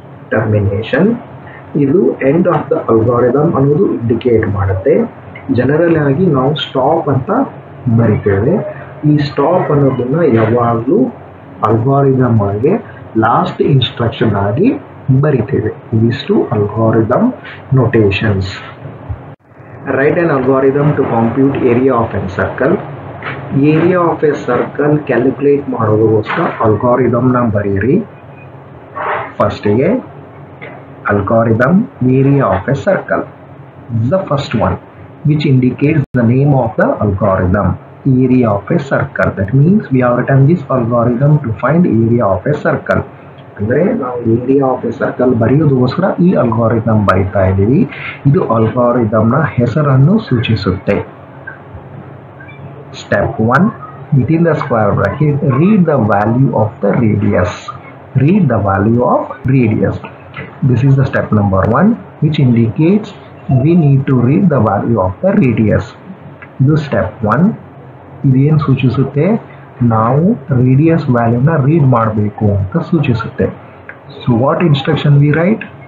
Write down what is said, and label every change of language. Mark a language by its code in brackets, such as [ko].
[kn] Termination ಇದು end of the algorithm ಅನ್ನೋದು indicate ಮಾಡುತ್ತೆ. ಜನರಲ್ ಆಗಿ ನಾವು ಸ್ಟಾಪ್ ಅಂತ ಬರಿತೇವೆ. ಈ ಸ್ಟಾಪ್ ಅನ್ನೋದನ್ನು ಯಾವಾಗಲೂ ಅಲ್ಗಾರಿದಮ್ ಆಗಿ ಲಾಸ್ಟ್ ಇನ್ಸ್ಟ್ರಕ್ಷನ್ ಆಗಿ ಬರಿತೇವೆ. ಇವಿಷ್ಟು algorithm notations. [en] write an algorithm to compute area of a circle. Area of a circle calculate [kn] ಮಾಡೋದಕ್ಕೋಸ್ಕರ algorithm ನ ಬರೀರಿ. [en] First ಗೆ algorithm area of a circle is the first one which indicates the name of the algorithm. Area of a circle, that means we have written this algorithm to find area of a circle. [kn] ಅಂದರೆ ನಾವು area of A circle ಬರೆಯೋದಕ್ಕೋಸ್ಕರ ಈ algorithm ಬರಿತಾ ಇದ್ದೀವಿ. ಇದು ಅಲ್ಗಾರಿದಮ್ನ ಹೆಸರನ್ನು ಸೂಚಿಸುತ್ತೆ. [en] Step one, within the square bracket read the value of the radius. Read the value of radius, this is the step number one, which indicates we need to read the value of the radius. ಇದು step one. [kn] ಇದೇನು ಸೂಚಿಸುತ್ತೆ, ನಾವು radius ವ್ಯಾಲ್ಯೂನ read ಮಾಡಬೇಕು ಅಂತ ಸೂಚಿಸುತ್ತೆ. [en] So what instruction we write?